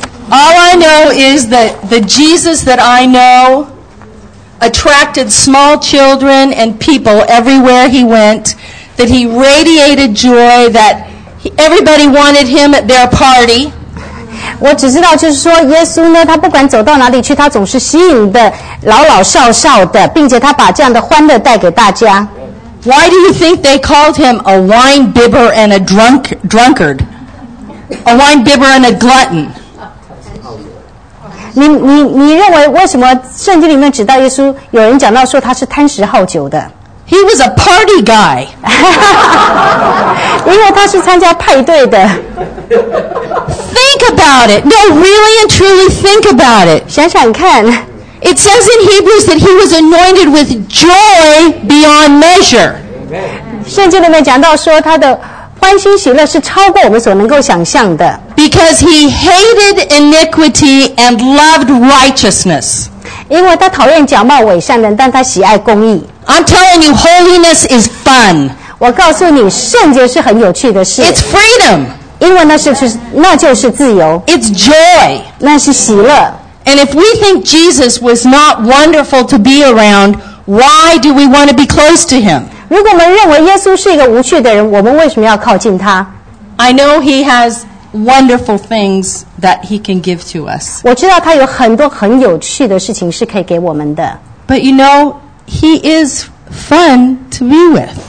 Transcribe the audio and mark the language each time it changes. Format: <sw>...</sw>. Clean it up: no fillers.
<en>All I know is that the Jesus that I know attracted small children and people everywhere he went, that he radiated joy, that everybody wanted him at their party.</en> <zh>我只知道就是说耶稣呢他不管走到哪里去他总是吸引的老老少少的并且他把这样的欢乐带给大家</zh> <en>Why do you think they called him a wine bibber and a drunkard? A wine bibber and a glutton?</en> <zh>你认为为什么圣经里面指到耶稣有人讲到说他是贪食好酒的</zh> <en>He was a party guy.</en> <zh>因为他是参加派对的。</zh> <en>Think about it. No, really and truly think about it.</en> <zh>想想看。</zh> <en>It says in Hebrews that he was anointed with joy beyond measure.</en> <zh>圣经里面讲到说他的欢欣喜乐是超过我们所能够想象的。</zh> <en>Because he hated iniquity and loved righteousness.</en> <zh>因为他讨厌假冒伪善人，但他喜爱公义。</zh> <en>I'm telling you, holiness is fun.</en> <zh>我告诉你，圣洁是很有趣的事。</zh> <en>It's freedom.</en> <zh>因为那就是自由。</zh> <en>It's joy.</en> <zh>那是喜乐。</zh> <en>And if we think Jesus was not wonderful to be around, why do we want to be close to him?</en> <zh>如果我们认为耶稣是一个无趣的人，我们为什么要靠近他？</zh> <en>I know he has wonderful things that he can give to us.</en> <zh>我知道他有很多很有趣的事情是可以给我们的。</zh> <en>But you know, he is fun to be with.</en>